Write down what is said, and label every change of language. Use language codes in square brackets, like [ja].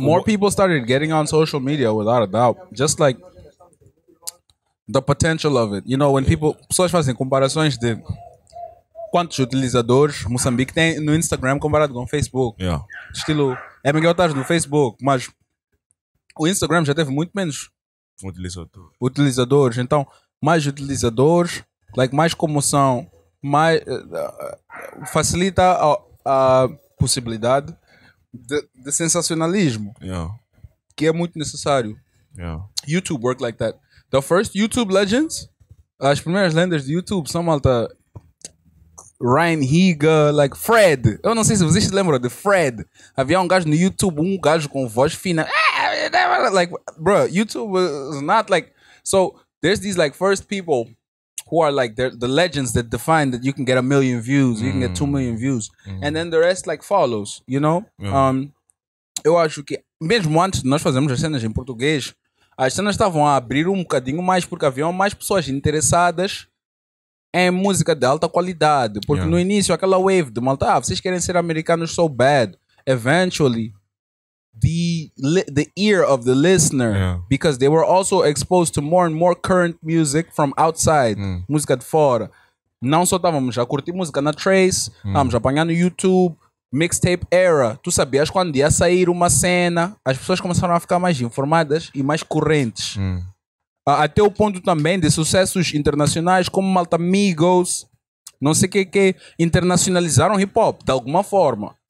[en] more people started getting on social media, without a doubt. Just like the potential of it. You know, when people. [pt] Pessoas fazem comparações de quantos utilizadores Moçambique tem no Instagram comparado com Facebook. [en] Yeah. [pt] Estilo. É melhor estar no Facebook, mas o Instagram já teve muito menos utilizadores. Então. Mais utilizadores, like mais comoção, mais facilita a possibilidade de sensacionalismo, [en] yeah. [pt] Que é muito necessário. [en] Yeah. YouTube work like that. The first YouTube legends, [pt] as primeiras lendas de YouTube, são malta [en] Ryan Higa, like Fred. [pt] Eu não sei se vocês lembram de Fred. Havia gajo no YouTube, gajo com voz fina. [en] Like, bro, YouTube is not like... So, there's these like first people who are like the legends that define that you can get a million views, you can get 2 million views, and then the rest like follows, you know? Yeah. [pt] Eu acho que mesmo antes de nós fazermos as cenas em português, as cenas estavam a abrir bocadinho mais porque haviam mais pessoas interessadas em música de alta qualidade. Porque no início aquela wave de malta, vocês querem ser americanos [en] so bad. Eventually, the ear of the listener, because they were also exposed to more and more current music from outside, [pt] música de fora. Não só estávamos a curtir música na Trace, estávamos a apanhar no YouTube, mixtape era. Tu sabias quando ia sair uma cena, as pessoas começaram a ficar mais informadas e mais correntes. Até o ponto também de sucessos internacionais como Malta Migos, não sei o que, que internacionalizaram hip-hop, de alguma forma.